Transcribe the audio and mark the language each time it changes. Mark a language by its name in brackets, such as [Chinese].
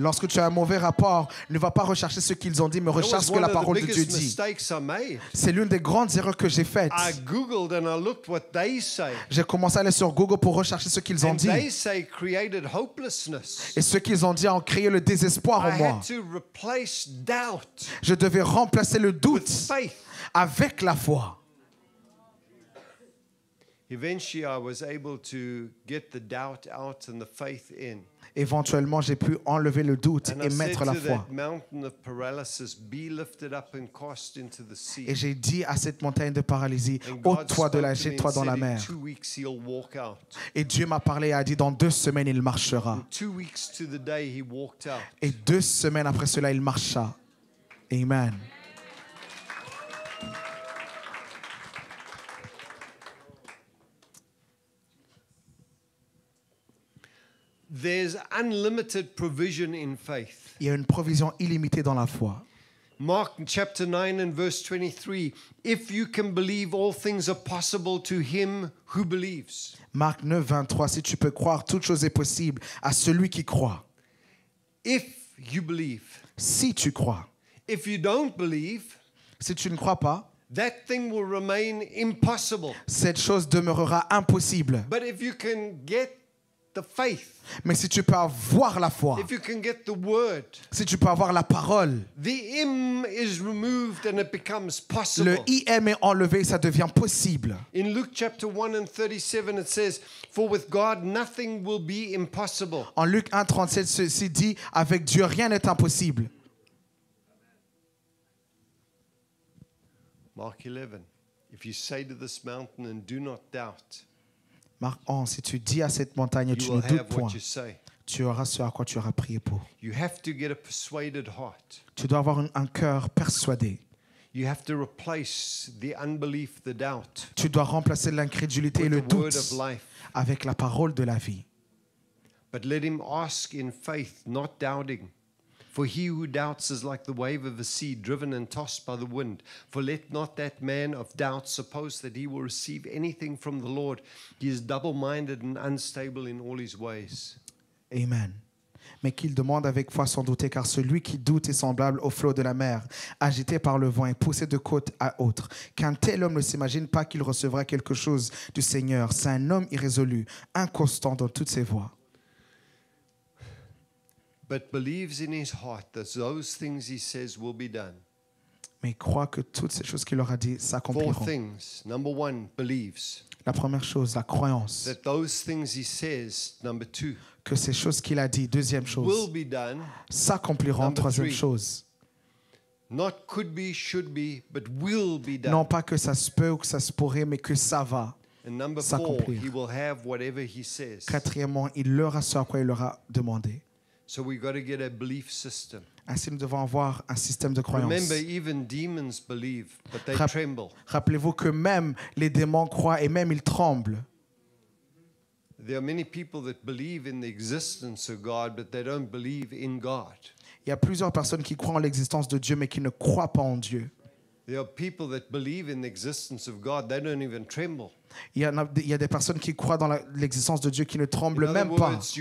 [French] Lorsque tu as un mauvais rapport, ne va pas rechercher ce qu'ils ont dit, mais recherche ce que la parole de Dieu dit. C'est l'une des grandes erreurs que j'ai faites. [English] I googled and I looked what they say. [French] J'ai commencé à aller sur Google pour rechercher ce qu'ils ont [English] and [French] dit. [English] They say created hopelessness. [French] Et ce qu'ils ont dit a créé le désespoir [English] I [French] en moi. [English] Had to replace doubt [French] je devais remplacer le doute [English] with faith. [French] Avec la foi. [English] Eventually, I was able to get the doubt out and the faith in. [French] Éventuellement, j'ai pu enlever le doute [English] and [French] et mettre la foi. [English] And I said to that mountain of paralysis, be lifted up and cast into the sea. [French] Et j'ai dit à cette montagne de paralysie, ôte-toi de là, jette-toi dans la mer. [English] In 2 weeks, he'll walk out. [French] Et Dieu m'a parlé et a dit, dans 2 semaines, il marchera. [English] In 2 weeks to the day, he walked out. [French] Et 2 semaines après cela, il marcha. Amen. [English] There's unlimited provision in faith. [French] Il y a une provision illimitée dans la foi. [English] Mark chapter 9 and verse 23. If you can believe, all things are possible to him who believes. [French] Marc 9, 23. Si tu peux croire, toute chose est possible à celui qui croit. [English] If you believe. [French] Si tu crois. [English] If you don't believe. [French] Si tu ne crois pas. [English] That thing will remain impossible. [French] Cette chose demeurera impossible. [English] But if you can get the faith. [French] Mais si tu peux avoir la foi. [English] If you can get the word. [French] Si tu peux avoir la parole. [English] The im is removed and it becomes possible. [French] Le im est enlevé et ça devient possible. [English] In Luke chapter 1 and 37 it says for with God nothing will be impossible. [French] En Luc 1 37 ceci dit avec Dieu rien n'est impossible. [English] Mark 11. If you say to this mountain and do not doubt. [French] Marc 11, si tu dis à cette montagne, tu ne doutes point, tu auras ce à quoi tu auras prié pour. [English] You have to get a persuaded heart. [French] Tu dois avoir un cœur persuadé. [English] You have to replace the unbelief, the doubt. [French] Tu dois remplacer l'incrédulité et le doute avec la parole de la vie. [English] But let him ask in faith, not doubting. For he who doubts is like the wave of the sea, driven and tossed by the wind. For let not that man of doubt suppose that he will receive anything from the Lord. He is double-minded and unstable in all his ways. Amen. [French] Mais qu'il demande avec foi sans douter, car celui qui doute est semblable au flot de la mer, agité par le vent et poussé de côte à autre. Qu'un tel homme ne s'imagine pas qu'il recevra quelque chose du Seigneur. C'est un homme irrésolu, inconstant dans toutes ses voies. [English] But believes in his heart that those things he says will be done. [French] Mais croit que toutes ces choses qu'il leur a dit s'accompliront. [English] Four things. Number one, believes. [French] La première chose, la croyance. [English] That those things he says, number two, [French] que ces choses qu'il a dit, deuxième chose, [English] will be done, [French] s'accompliront. [English] Number [French] troisième [English] three, [French] chose. [English] Not could be, should be, but will be done. [French] Non pas que ça se peut ou que ça se pourrait, mais que ça va [English] and number [French] s'accomplir. [English] Four, he will have whatever he says. [French] Quatrièmement, il aura ce à quoi il leur a demandé. [English] So we got to get a belief system. [French] Ainsi, nous devons avoir un système de croyance. [English] Remember, even demons believe, but they tremble. [French] Rappelez-vous que même les démons croient et même ils tremblent. [English] There are many people that believe in the existence of God, but they don't believe in God. [French] Il y a plusieurs personnes qui croient en l'existence de Dieu, mais qui ne croient pas en Dieu. [English] There are people that believe in the existence of God, they don't even tremble. [French] Il y a des personnes qui croient dans l'existence de Dieu qui ne tremblent même pas.